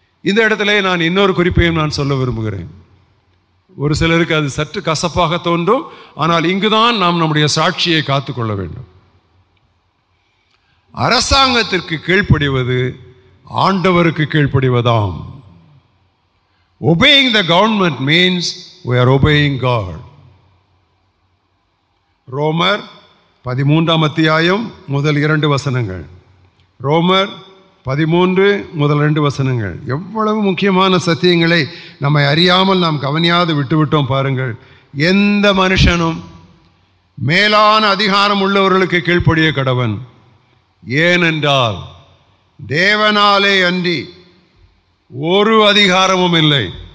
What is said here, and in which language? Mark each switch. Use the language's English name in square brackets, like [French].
[Tamil] இந்த இடத்துல நான் இன்னொரு குறிப்பையும் நான் சொல்ல விரும்புகிறேன். ஒரு சிலருக்கு அது சற்று கசப்பாக தோன்றும், ஆனால் இங்குதான் நாம் நம்முடைய சாட்சியை காத்து கொள்ள வேண்டும். அரசாங்கத்திற்கு கீழ்ப்படிவது ஆண்டவருக்கு கீழ்ப்படிவதாம். [English] Obeying the government means we are obeying God. [Tamil] ரோமர் 13:2 Romans 13:2 எவ்வளவு முக்கியமான சத்தியங்களை நம்மை அறியாமல் நாம் கவனியாது விட்டுவிட்டோம் பாருங்கள். எந்த மனுஷனும் மேலான அதிகாரம் உள்ளவர்களுக்கு கீழ்ப்படிய கடவன், ஏனென்றால் தேவனாலே அன்றி ஒரு அதிகாரமும் இல்லை.